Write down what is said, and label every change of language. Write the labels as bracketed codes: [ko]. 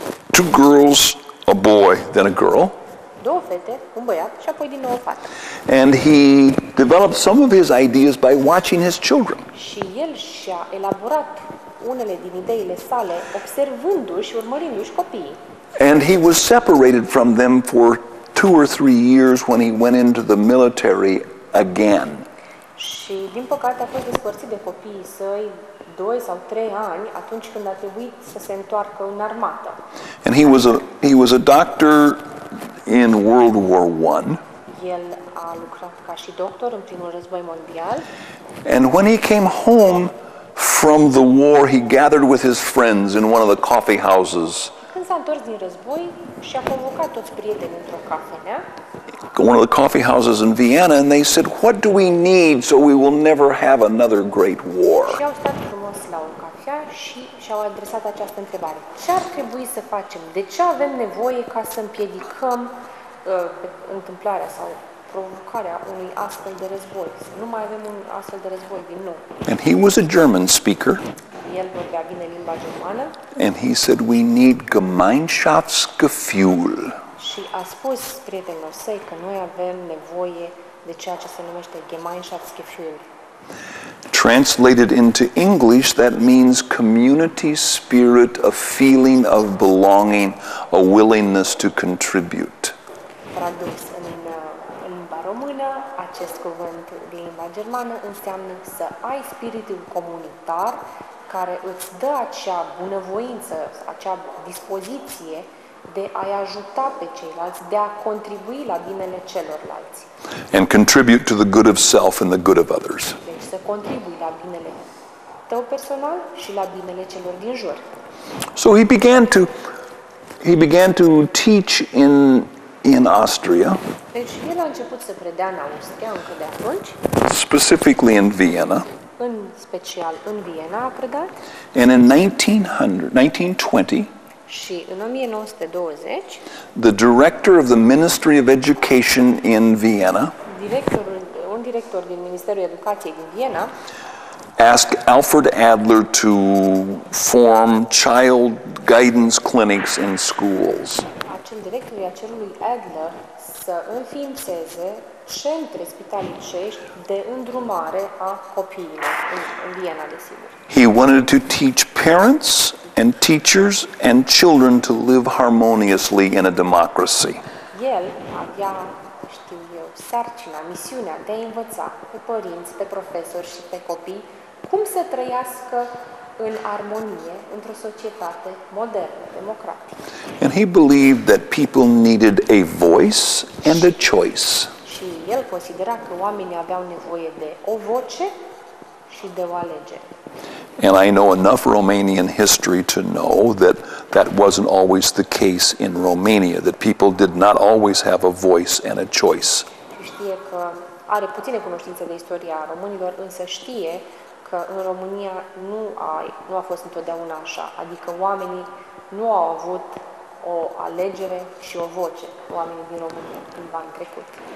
[en] Two girls, a boy, then a girl. [ro] Două fete, un băiat și apoi din nou o fată. [en] And he developed some of his ideas by watching his children. [ro] Și el și-a elaborat unele din ideile sale observându-și, urmărindu-și copiii. [en] And he was separated from them for two or three years when he went into the military again. [ro] Și din păcate a fost despărțit de copiii săi doi sau trei ani atunci când a trebuit să se întoarcă în armată. [en] And he was a doctor in World War I. [ro] El a lucrat ca și doctor în primul război mondial. [en] And when he came home from the war, he gathered with his friends in one of the coffee houses. [ro] Când s-a întors din război, și-a convocat toți prietenii într-o cafenea. [en] One of the coffee houses in Vienna, and they said, "What do we need so we will never have another great war?" [ro] Și au stat frumos la o cafea și și-au adresat această întrebare. Ce ar trebui să facem? De ce avem nevoie ca să împiedicăm întâmplarea sau provocarea unui astfel de război? Să nu mai avem un astfel de război din nou. [en] And he was a German speaker. [ro] El vorbea bine limba germană. [en] And he said, "We need Gemeinschaftsgefühl." [ro] Și a spus prietenilor săi că noi avem nevoie de ceea ce se numește Gemeinschaftsgefühl. [en] Translated into English, that means community spirit, a feeling of belonging, a willingness to contribute. [ro] Tradus în limba română, acest cuvânt din limba germană înseamnă să ai spiritul comunitar care îți dă acea bunăvoință, acea dispoziție de a ajuta pe ceilalți, de a contribui la binele celorlalți. [en] And contribute to the good of self and the good of others. [ro] Deci să contribui la binele tău personal și la binele celor din jur. [en] So he began to teach in Austria. [ro] Deci el a început să predea în Austria încă de atunci. [en] Specifically in Vienna. [ro] În special în Viena a predat. [en] And in 1920. [ro] Și în 1920, [en] the director of the Ministry of Education in Vienna, [ro] un director din Ministerul Educației din Viena, [en] asked Alfred Adler to form child guidance clinics in schools. [ro] Acel director i-a cerut lui Adler să înființeze centre spitalicești de îndrumare a copiilor în Viena, desigur. [en] He wanted to teach parents and teachers and children to live harmoniously in a democracy. [ro] El avea, știu eu, sarcina, misiunea de a învăța pe părinți, pe profesori și pe copii cum să trăiască în armonie într-o societate modernă, democratică. [en] And he believed that people needed a voice and a choice. [ro] Și el considera că oamenii aveau nevoie de o voce și de o alegere. [en] And I know enough Romanian history to know that that wasn't always the case in Romania, that people did not always have a voice and a choice. [ro] Știe că are puține cunoștințe de istoria românilor, însă știe că în România nu a fost întotdeauna așa, adică oamenii nu au avut o alegere și o voce, oamenii din România, cândva în trecut.